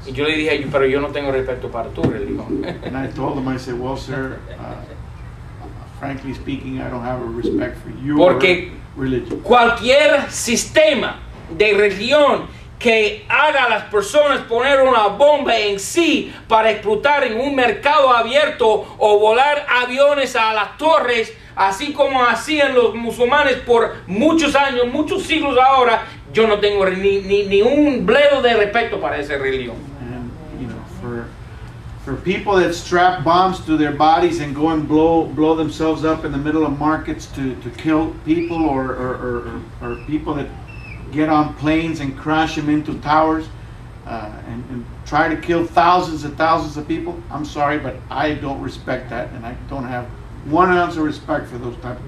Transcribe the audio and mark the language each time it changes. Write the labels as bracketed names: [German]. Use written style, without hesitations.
[Spanish] Y yo le dije, pero yo no tengo respeto para tu religión. [English] And I told him, I said, well, sir, frankly speaking, I don't have a respect for your [Spanish] Porque [English] religion. [Spanish] Cualquier sistema de religión que haga a las personas poner una bomba en sí para explotar en un mercado abierto o volar aviones a las torres, así como hacían los musulmanes por muchos años, muchos siglos ahora, yo no tengo ni un bledo de respeto para esa religión. [English] And, you know, for people that strap bombs to their bodies and go and blow themselves up in the middle of markets to kill people or people that get on planes and crash them into towers and try to kill thousands and thousands of people, I'm sorry, but I don't respect that and I don't have one ounce of respect for those type of